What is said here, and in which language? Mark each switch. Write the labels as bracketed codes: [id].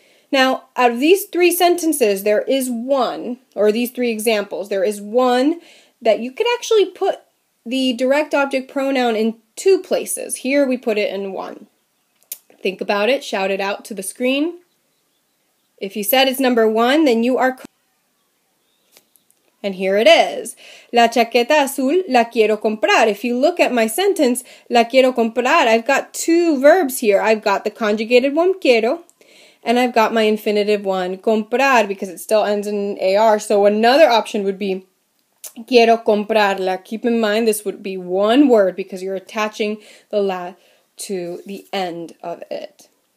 [en] Now, out of these three sentences, there is one, or these three examples, there is one that you could actually put the direct object pronoun in two places. Here we put it in one. Think about it, shout it out to the screen. If you said it's number one, then you are correct. And here it is. [es] La chaqueta azul la quiero comprar. [en] If you look at my sentence, [es] la quiero comprar, [en] I've got two verbs here. I've got the conjugated one, quiero, and I've got my infinitive one, comprar, because it still ends in AR. So another option would be, [es] quiero comprarla. [en] Keep in mind, this would be one word because you're attaching the la to the end of it.